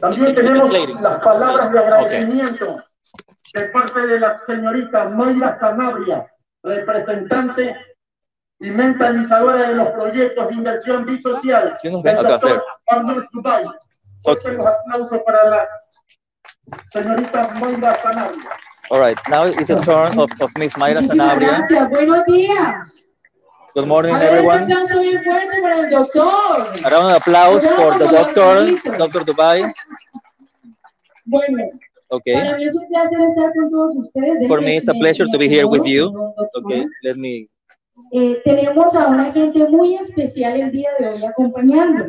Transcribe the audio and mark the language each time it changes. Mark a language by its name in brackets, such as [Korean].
[Spanish] también tenemos las palabras de agradecimiento de parte de la señorita Mayra Sanabria, representante y mentalizadora de los proyectos de inversión bisocial del doctor Arnold Doobay. Okay. Los aplausos para la señorita Mayra Sanabria. [English] All right, now it's the turn of Miss Mayra Sanabria. [Spanish] Buenos días. [English] Good morning, everyone. A round of applause for the doctor, Dr. Doobay. Okay. For me, it's a pleasure to be here with you. Okay, let me [Spanish] tenemos a una gente muy especial el día de hoy acompañándonos.